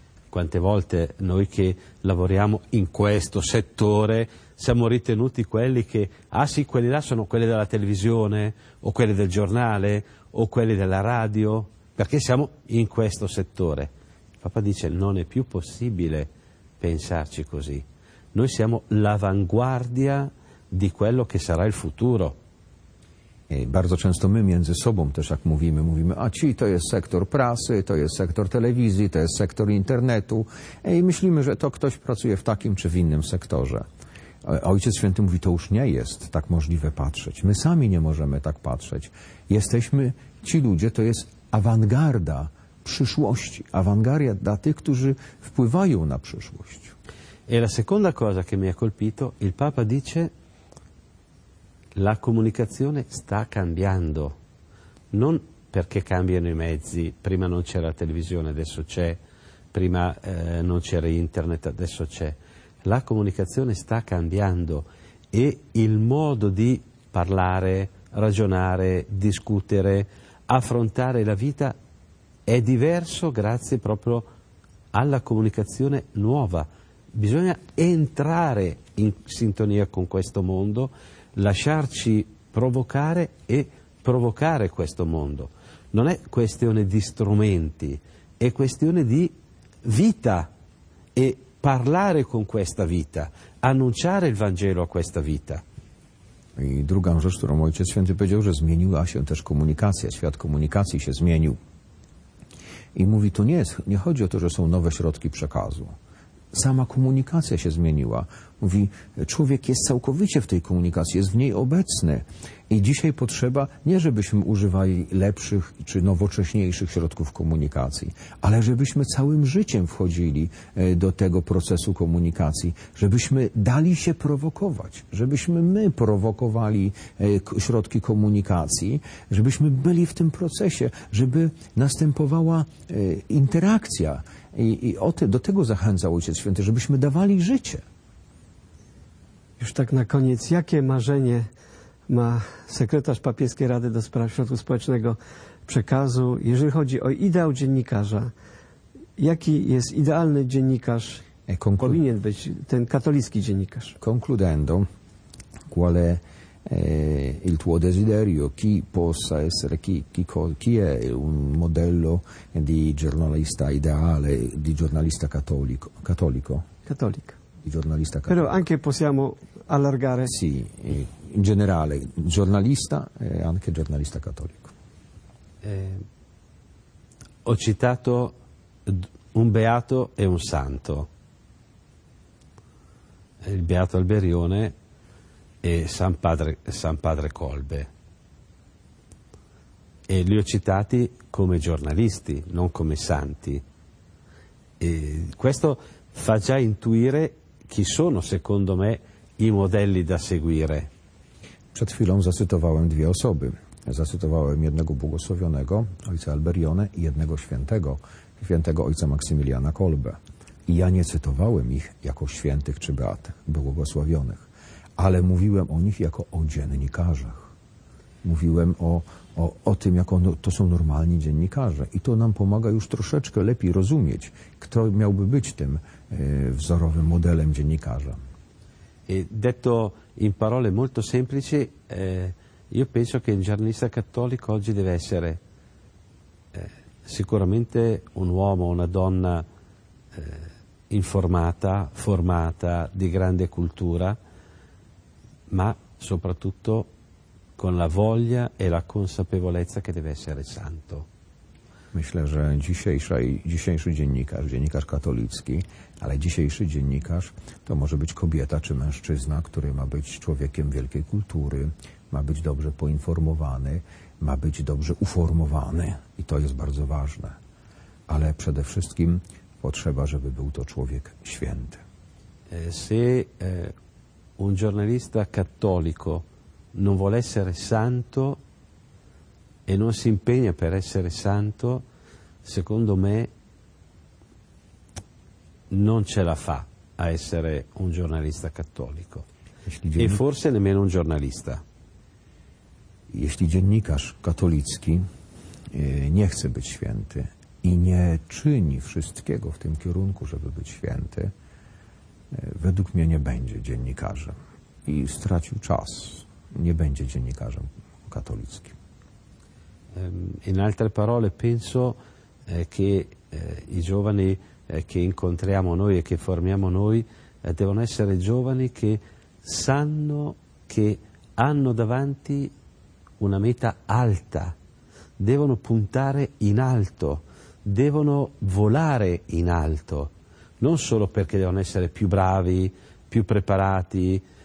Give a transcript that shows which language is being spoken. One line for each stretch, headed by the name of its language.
Italian: Quante volte noi che lavoriamo in questo settore siamo ritenuti quelli che, ah sì, quelli là sono quelli della televisione, o quelli del giornale, o quelli della radio, perché siamo in questo settore. Papa dice, non è più possibile pensarci così. Noi siamo l'avanguardia di quello che sarà il futuro.
Polish: Bardzo często my między sobą też jak mówimy, a ci to jest sektor prasy, to jest sektor telewizji, to jest sektor internetu i myślimy, że to ktoś pracuje w takim czy w innym sektorze. Ojciec Święty mówi, to już nie jest tak możliwe patrzeć. My sami nie możemy tak patrzeć. Ci ludzie to jest awangarda przyszłości, awangaria dla tych, którzy wpływają na przyszłość.
Italian: E la seconda cosa che mi ha colpito, il Papa dice... La comunicazione sta cambiando, non perché cambiano i mezzi, prima non c'era la televisione, adesso c'è, prima non c'era internet, adesso c'è. La comunicazione sta cambiando e il modo di parlare, ragionare, discutere, affrontare la vita è diverso grazie proprio alla comunicazione nuova. Bisogna entrare in sintonia con questo mondo, lasciarci provocare e provocare questo mondo. Non è questione di strumenti, è questione di vita e parlare con questa vita, annunciare il Vangelo a questa vita.
Polish: I druga rzecz, którą Ojciec Święty powiedział, że zmieniła się też komunikacja, świat komunikacji się zmienił. I mówi, to nie chodzi o to, że są nowe środki przekazu. Sama komunikacja się zmieniła. Mówi, człowiek jest całkowicie w tej komunikacji, jest w niej obecny. I dzisiaj potrzeba nie, żebyśmy używali lepszych czy nowocześniejszych środków komunikacji, ale żebyśmy całym życiem wchodzili do tego procesu komunikacji, żebyśmy dali się prowokować, żebyśmy my prowokowali środki komunikacji, żebyśmy byli w tym procesie, żeby następowała interakcja. Do tego zachęcał Ojciec Święty, żebyśmy dawali życie. Już tak na koniec, jakie marzenie ma sekretarz Papieskiej Rady do Spraw Środków Społecznego Przekazu, jeżeli chodzi o ideał dziennikarza? Jaki jest idealny dziennikarz, powinien być ten katolicki dziennikarz?
Italian: Concludendo, qual è il tuo desiderio? Chi possa essere, chi è un modello di giornalista ideale, di giornalista cattolico? Cattolico. Giornalista cattolico. Però anche possiamo allargare. Sì, in generale, giornalista e anche giornalista cattolico. Ho citato un beato e un santo. Il beato Alberione e San Padre Colbe. E li ho citati come giornalisti, non come santi. E questo fa già intuire chi sono, secondo me, i modelli da seguire.
Polish: Przed chwilą zacytowałem dwie osoby. Zacytowałem jednego błogosławionego, ojca Alberione, i jednego świętego ojca Maksymiliana Kolbe. I ja nie cytowałem ich jako świętych czy beatych, błogosławionych, ale mówiłem o nich jako o dziennikarzach. Mówiłem o tym, jak to są normalni dziennikarze. I to nam pomaga już troszeczkę lepiej rozumieć, kto miałby być tym wzorowym modelem dziennikarza.
Italian: E detto in parole molto semplici, io penso che un giornalista cattolico oggi deve essere sicuramente un uomo, una donna informata, formata, di grande cultura, ma soprattutto con la voglia e la consapevolezza che deve essere santo.
Polish: Myślę, że dzisiejszy dziennikarz, dziennikarz katolicki, ale dzisiejszy dziennikarz to może być kobieta czy mężczyzna, który ma być człowiekiem wielkiej kultury, ma być dobrze poinformowany, ma być dobrze uformowany i to jest bardzo ważne. Ale przede wszystkim potrzeba, żeby był to człowiek święty.
Italian: Se un giornalista cattolico non vuole essere santo e non si impegna per essere santo, secondo me non ce la fa a essere un giornalista cattolico. E forse nemmeno un giornalista.
Polish: Jeśli dziennikarz katolicki nie chce być święty i nie czyni wszystkiego w tym kierunku, żeby być święty, według mnie nie będzie dziennikarzem i stracił czas. Nie będzie dziennikarzem katolickim.
Italian: In altre parole, penso che i giovani che incontriamo noi e che formiamo noi devono essere giovani che sanno che hanno davanti una meta alta, devono puntare in alto, devono volare in alto, non solo perché devono essere più bravi, più preparati,